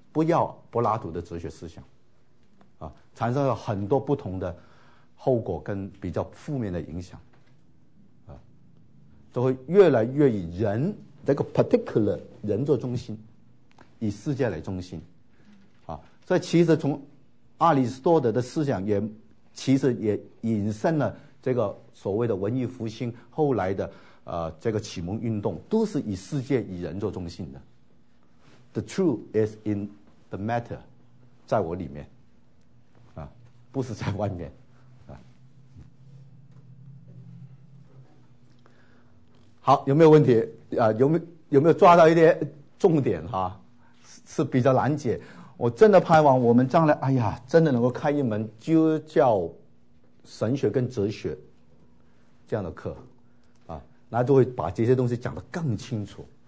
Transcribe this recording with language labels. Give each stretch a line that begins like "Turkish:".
Chinese: 不要柏拉图的哲学思想，啊，产生了很多不同的后果跟比较负面的影响，啊，都会越来越以人这个 particular 人做中心，以世界来中心，啊，所以其实从阿里斯多德的思想也其实也引申了这个所谓的文艺复兴后来的这个启蒙运动都是以世界以人做中心的。
English: The truth is in the matter，
Chinese: 在我里面，啊，不是在外面，啊。好，有没有问题？啊，有没有抓到一些重点？哈，是比较难解。我真的盼望我们将来，哎呀，真的能够开一门基督教神学跟哲学这样的课，啊，那就会把这些东西讲得更清楚。